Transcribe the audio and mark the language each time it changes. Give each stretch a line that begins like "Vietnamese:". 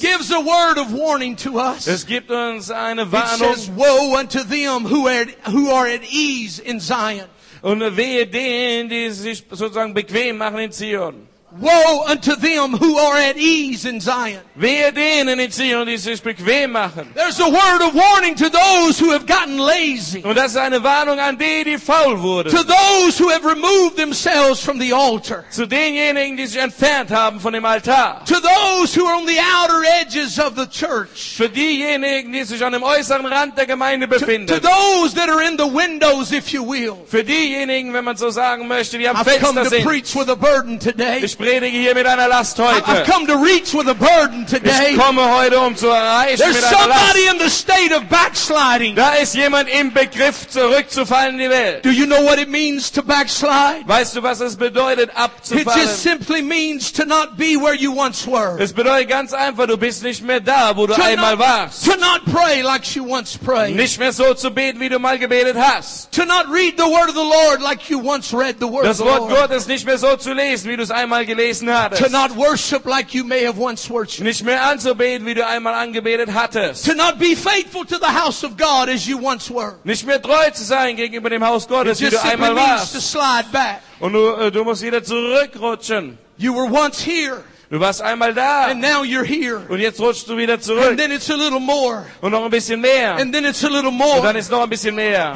English: It gives a word of warning to us.
German: Es gibt uns eine Warnung.
English: It says, woe unto them who are at ease in Zion.
German: Und wehe denen, die sich sozusagen bequem machen in Zion.
English: Woe unto them who are at ease in Zion.
German: Wehe denen in Zion, die sich bequem machen.
English: There's a word of warning to those who have gotten lazy.
German: Und das ist eine Warnung an die, die faul wurden.
English: To those who have removed themselves from the altar.
German: Zu denjenigen, die sich entfernt haben von dem Altar.
English: To those those who are on the outer edges of the church.
German: Für diejenigen, die sich an dem äußeren Rand der Gemeinde befinden.
English: To those that are in the windows, if you will.
German: Für diejenigen, wenn man so sagen möchte, die am Fenster sind.
English: I've come to preach with a burden today.
German: Ich predige hier mit einer Last heute.
English: I've come to reach with a burden today.
German: Ich komme heute, um zu erreichen mit einer Last.
English: There's somebody in the state of backsliding.
German: Da ist jemand im Begriff, zurückzufallen in die Welt.
English: Do you know what it means to backslide?
German: Weißt du, was es bedeutet, abzufallen?
English: It just simply means to not be where you once were.
German: Es bedeutet ganz einfach, du bist nicht mehr da, wo du einmal warst.
English: To not pray like you once prayed.
German: Nicht mehr so zu beten, wie du mal gebetet hast.
English: To not read the word of the Lord like you once read the word of the Lord.
German: Das Wort Gottes nicht mehr so zu lesen, wie du es einmal gelesen hattest.
English: To not worship like you may have once worshipped.
German: Nicht mehr anzubeten, wie du einmal angebetet hattest.
English: To not be faithful to the house of God as you once were.
German: Nicht mehr treu zu sein gegenüber dem Haus Gottes, wie du einmal warst.
English: To slide back.
German: Und du musst wieder zurückrutschen.
English: You were once here.
German: Du warst einmal da.
English: And now you're here.
German: Und jetzt rutschst du wieder zurück.
English: And then it's a little more.
German: Und noch ein bisschen mehr.
English: And then it's a little more.
German: Und dann ist noch ein bisschen mehr.